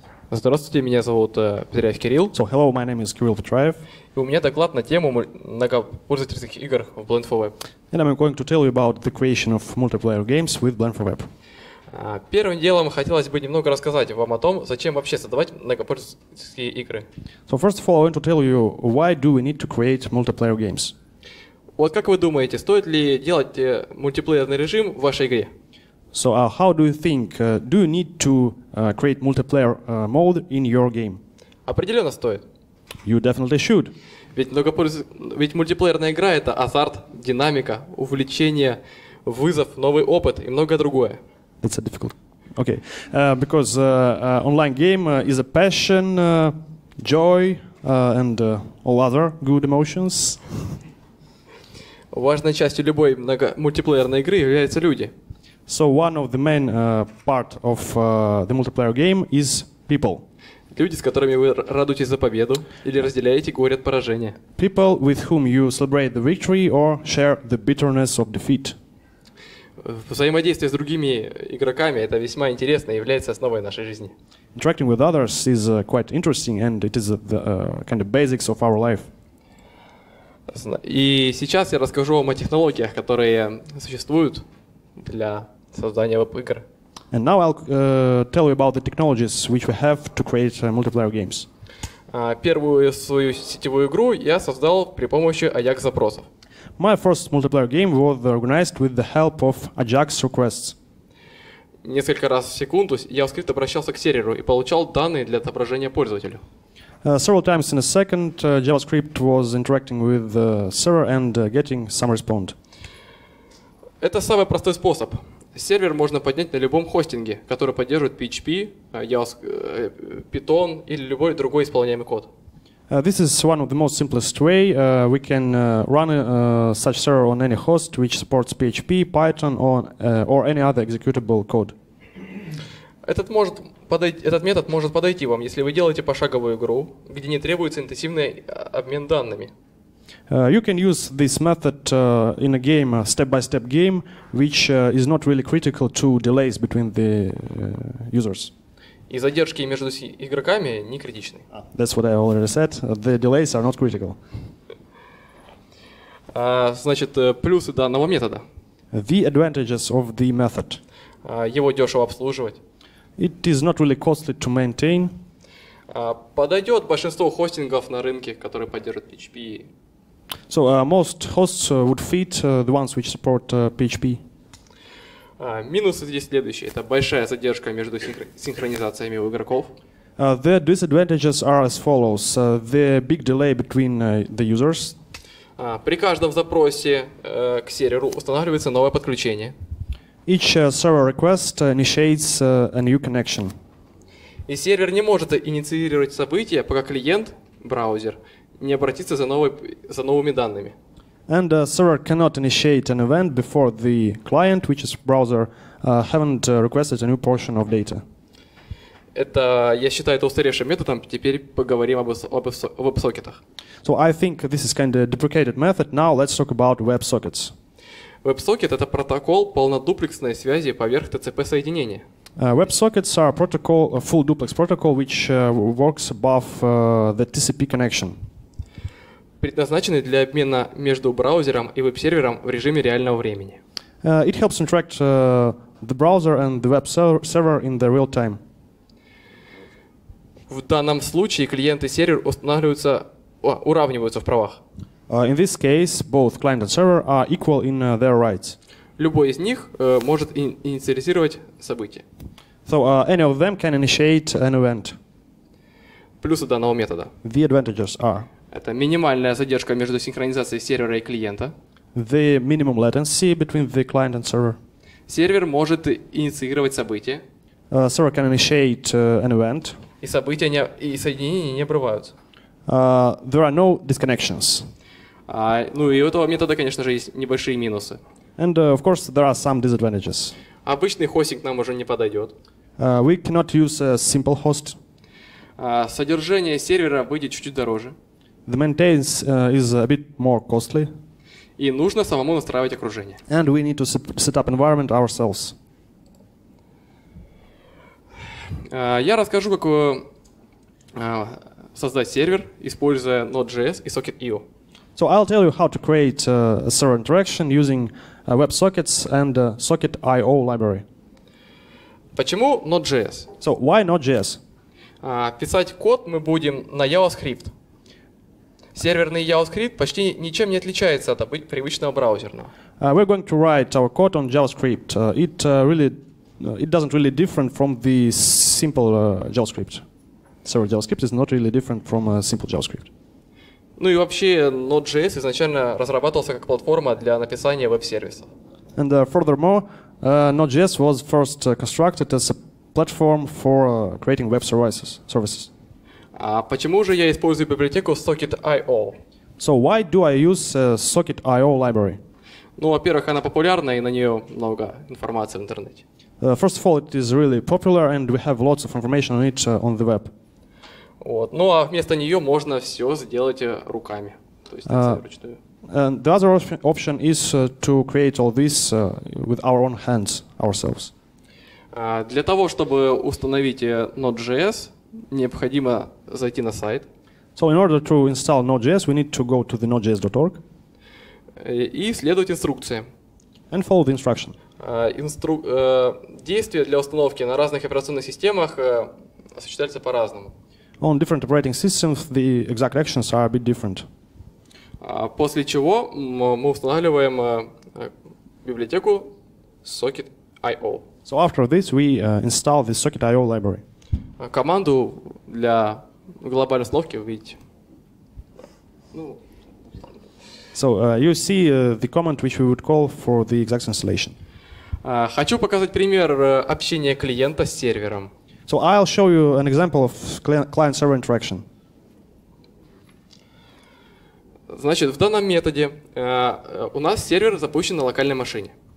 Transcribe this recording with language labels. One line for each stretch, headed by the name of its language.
Russian: Здравствуйте, меня зовут Петряев Кирилл.
English: So hello, my name is Kirill Petryaev.
Russian: И у меня доклад на тему многопользовательских игр в Blend4Web.
English: And I'm going to tell you about the creation of multiplayer games with Blend4Web.
Russian: Первым делом хотелось бы немного рассказать вам о том, зачем вообще создавать многопользовательские игры.
English: So first of all, I want to tell you why do we need to create multiplayer games.
Russian: Вот как вы думаете, стоит ли делать мультиплеерный режим в вашей игре?
English: So how do you think? Do you need to create multiplayer mode in your game?
Russian: Определенно стоит.
English: You definitely should.
Russian: Ведь мультиплеерная игра — это азарт, динамика, увлечение, вызов, новый опыт и многое другое.
English: That's a difficult. Okay. Because online game is a passion, joy, and all other good emotions.
Russian: Важной частью любой мультиплеерной игры являются люди.
English: So one of the main part of the multiplayer game is people.
Russian: Люди, с которыми вы радуетесь за победу или разделяете горе от поражения.
English: People with whom you celebrate the victory or share the bitterness of defeat.
Russian: Взаимодействие с другими игроками — это весьма интересно и является основой нашей жизни.
English: Interacting with others is quite interesting, and it is the kind of basics of our life.
Russian: И сейчас я расскажу вам о технологиях, которые существуют для создания веб-игр.
English: And now I'll tell you about the technologies which we have to create multiplayer games.
Russian: Первую свою сетевую игру я создал при помощи Ajax-запросов.
English: My first multiplayer game was organized with the help of Ajax requests.
Russian: Несколько раз в секунду я вскрипт обращался к серверу и получал данные для отображения пользователю.
English: Several times in a second, JavaScript was interacting with the server and getting some response.
Russian: Это самый простой способ. Сервер можно поднять на любом хостинге, который поддерживает PHP, Python или любой другой исполняемый код.
English: This is one of the most simplest way. We can run such server on any host which supports PHP, Python or any other executable code.
Russian: Этот метод может подойти вам, если вы делаете пошаговую игру, где не требуется интенсивный обмен данными.
English: You can use this method in a game, a step-by-step game, which is not really critical to delays between the users.
Russian: И задержки между игроками не критичны.
English: That's what I already said. The delays are not critical.
Russian: Значит, плюсы данного метода.
English: The advantages of the method.
Russian: Его дешево обслуживать.
English: It is not really costly to maintain.
Russian: Подойдет большинство хостингов на рынке, которые поддержат PHP.
English: So most hosts would fit the ones which support PHP.
Russian: Минусы здесь следующие. Это большая задержка между синхронизациями у игроков.
English: The disadvantages are as follows. The big delay between the users.
Russian: При каждом запросе к серверу устанавливается новое подключение.
English: Each server request initiates a new connection.
Russian: И сервер не может инициировать события, пока клиент, браузер, не обратится за новыми данными.
English: And a server cannot initiate an event before the client, which is browser, haven't requested a new portion of data.
Russian: Это, я считаю, это устаревшим методом. Теперь поговорим об веб-сокетах.
English: So I think this is kind of a deprecated method. Now let's talk about WebSockets.
Russian: WebSocket — это протокол полнодуплексной связи поверх TCP соединения.
English: WebSockets are protocol, a full duplex protocol, which works above the TCP connection.
Russian: Предназначены для обмена между браузером и веб-сервером в режиме реального времени.
English: It helps interact the browser and the web server in the real time.
Russian: В данном случае клиент и сервер устанавливаются, уравниваются в правах.
English: In this case, both client and server are equal in their rights.
Russian: Любой из них может инициализировать событие.
English: So any of them can initiate an event.
Russian: Плюсы данного метода.
English: The advantages are.
Russian: Это минимальная задержка между синхронизацией сервера и клиента.
English: The minimum latency between the client and server.
Russian: Сервер может инициировать событие.
English: Server can initiate an event.
Russian: И события не, и соединения не обрываются.
English: There are no disconnections.
Russian: Ну и у этого метода, конечно же, есть небольшие минусы.
English: And of course there are some disadvantages.
Russian: Обычный хостинг нам уже не подойдет.
English: We cannot use a simple host.
Russian: Содержание сервера выйдет чуть-чуть дороже.
English: The maintenance is a bit more costly.
Russian: И нужно самому настраивать окружение.
English: And we need to set up environment ourselves.
Russian: Я расскажу, как создать сервер, используя Node.js и Socket.io.
English: So I'll tell you how to create a server interaction using WebSockets and Socket.io library.
Russian: Почему Node.js?
English: So why Node.js?
Russian: Писать код мы будем на JavaScript. Серверный JavaScript почти ничем не отличается от привычного браузерного.
English: We're going to write our code on JavaScript. It doesn't really different from the simple JavaScript. Server JavaScript is not really different from a simple JavaScript.
Russian: Ну и вообще Node.js изначально разрабатывался как платформа для написания веб-сервисов.
English: And furthermore, Node.js was first constructed as a platform for creating web services.
Russian: А почему же я использую библиотеку Socket.io?
English: So why do I use Socket.io library?
Russian: Ну, во-первых, она популярна и на нее много информации в интернете.
English: First of all, it is really popular and we have lots of information on it on the web.
Russian: Вот. Ну, а вместо нее можно все сделать руками, то есть вручную.
English: The other option is to create all this with our own hands ourselves.
Russian: Для того, чтобы установить Node.js, необходимо зайти на сайт.
English: So in order to install Node.js, we need to go to the Node.js.org.
Russian: И следовать инструкциям.
English: And follow the instruction.
Russian: Действия для установки на разных операционных системах осуществляются по-разному.
English: On different operating systems, the exact actions are a bit different.
Russian: После чего мы устанавливаем библиотеку Socket.io.
English: So after this, we install the Socket.io library.
Russian: Команду для глобальной установки увидите.
English: So you see the command which we would call for the exact installation.
Russian: Хочу показать пример общения клиента с сервером.
English: So I'll show you an example of client-server interaction.
Russian: Значит, в данном методе у нас сервер запущен на локальной машине.